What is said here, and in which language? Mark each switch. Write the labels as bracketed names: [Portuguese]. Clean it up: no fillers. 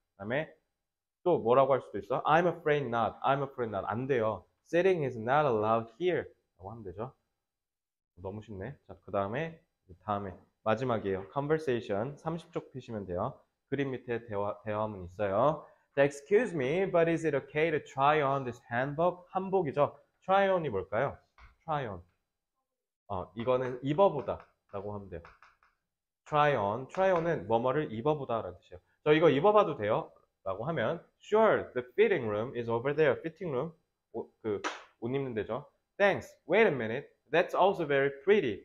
[Korean] 그 다음에 또 뭐라고 할 수도 있어? [English] I'm afraid not. I'm afraid not. [Korean] 안 돼요. [English] Sitting is not allowed here. [Korean] 라고 하면 되죠. 너무 쉽네. 자, 그 다음에, 다음에. 마지막이에요. Conversation. 30쪽 피시면 돼요. 그림 밑에 대화문 있어요. [English] Excuse me, but is it okay to try on this handbook? [Korean] 한복이죠. Try on이 뭘까요? Try on. 이거는 입어보다 라고 하면 돼요. Try on. Try on은 뭐뭐를 입어보다 라는 뜻이에요. [English] 저 이거 입어봐도 돼요? [Korean] 라고 하면 [English] Sure, the fitting room is over there. Fitting room. [Korean] 옷 입는 데죠. [English] Thanks. Wait a minute. That's also very pretty.